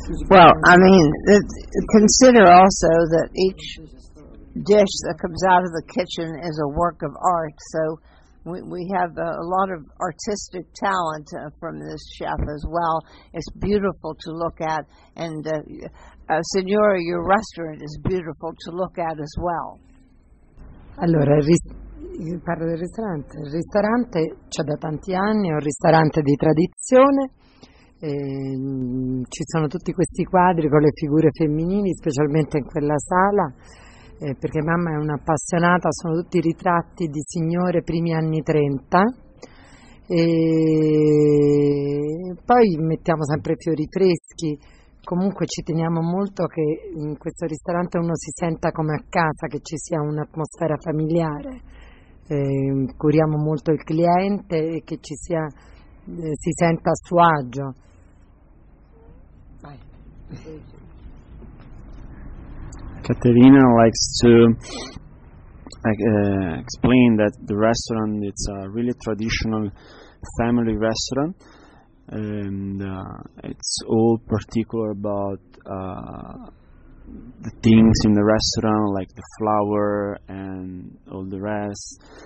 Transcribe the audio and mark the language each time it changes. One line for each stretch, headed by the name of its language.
English: Well, I mean, consider also that each dish that comes out of the kitchen is a work of art, so we have a lot of artistic talent from this chef as well. It's beautiful to look at, and Signora, your restaurant is beautiful to look at as well.
Italian: Allora, parlo del ristorante. Il ristorante c'è da tanti anni, è un ristorante di tradizione. Ci sono tutti questi quadri con le figure femminili, specialmente in quella sala, perché mamma è un'appassionata, sono tutti ritratti di signore primi anni 30, e poi mettiamo sempre fiori freschi. Comunque ci teniamo molto che in questo ristorante uno si senta come a casa, che ci sia un'atmosfera familiare, curiamo molto il cliente e che ci sia, si senta a suo agio.
English: Caterina likes to explain that the restaurant, it's a really traditional family restaurant, and it's all particular about the things in the restaurant, like the flower and all the rest.